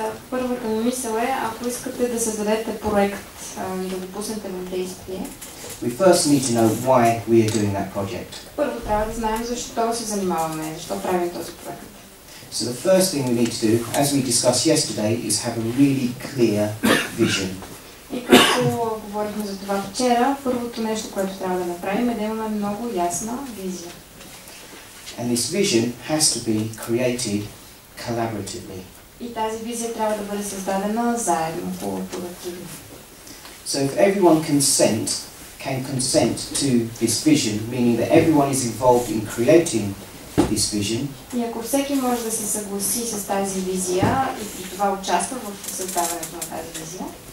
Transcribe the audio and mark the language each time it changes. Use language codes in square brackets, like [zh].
[bg] Първата мисъл е, ако искате да създадете проект, да го пуснете в действие. [en] We first need to know why we are doing that project. [bg] Първо трябва да знаем защо се занимаваме, защо правим този проект. [en] So the first thing we need to do, as we discussed yesterday, is have a really clear vision. [bg] И като говорихме за това вчера, първото нещо, което трябва да направим е да имаме много ясна визия. [en] And this vision has to be created collaboratively. [bg] И тази визия трябва да бъде създадена заедно, колаборативно. [en] So if everyone can consent to this vision, meaning that everyone is involved in creating this vision. [bg] И ако всеки може да се съгласи с тази визия и това участва в създаването на тази визия,